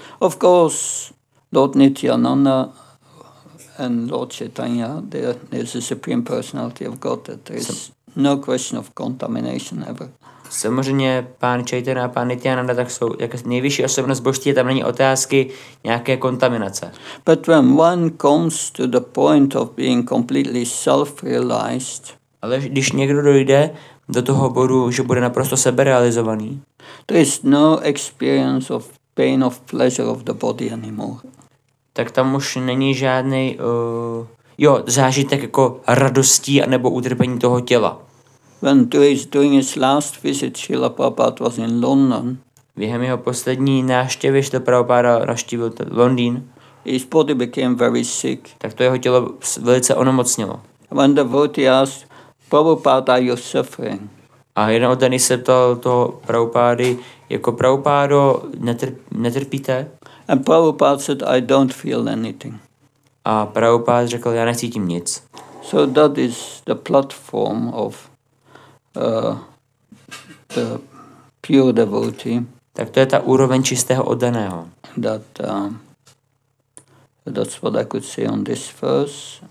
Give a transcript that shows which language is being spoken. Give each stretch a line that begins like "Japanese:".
English: Of course, Lord Nityananda and Lord Chaitanya, they are the supreme personality of God. There is no question of contamination ever.
Czech: Samozřejmě pán Chaitanya a pán Nityananda tak jsou jako nejvyšší osobnost božství, tam není otázky nějaké kontaminace.
English: But when one comes to the point of being completely self-realized,
Czech: ale když někdo dojde do toho bodu, že bude naprosto seberealizovaný.
English: There is no experience of pain of pleasure of the body anymore.
Czech: Tak tam už není žádný zážitek jako radostí anebo utrpení toho těla.
English: When he is doing his last visit, Srila Prabhupada was in London.
Czech: Během jeho poslední návštěvy Srila Prabhupada navštívil Londýn.
English: His body became very sick.
Czech: Tak to jeho tělo velice onemocnilo.
English: When the devotee asked, Prabhupada, you suffering.
Czech: A jeden oddaný se ptal toho Prabhupády, jako Prabhupádo, netrpíte?
English: And Prabhupada said, I don't feel anything.
Czech: A Prabhupád řekl, já necítím nic.
English: So that is the platform of the pure devotee.
Czech: Tak to je ta úroveň čistého oddaného.
English: That That's what I could say on this verse.